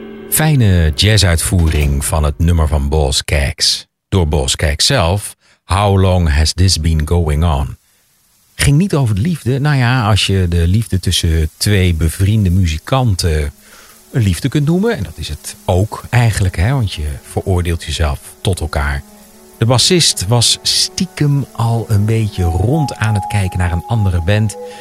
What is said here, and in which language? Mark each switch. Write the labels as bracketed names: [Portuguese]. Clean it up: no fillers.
[Dutch] Fijne jazzuitvoering van het nummer van Boz Keggs door Boz Keggs zelf. [English] How long has this been going on? [Dutch] Ging niet over de liefde. Nou ja, als je de liefde tussen twee bevriende muzikanten een liefde kunt noemen. En dat is het ook eigenlijk, hè, want je veroordeelt jezelf tot elkaar. De bassist was stiekem al een beetje rond aan het kijken naar een andere band.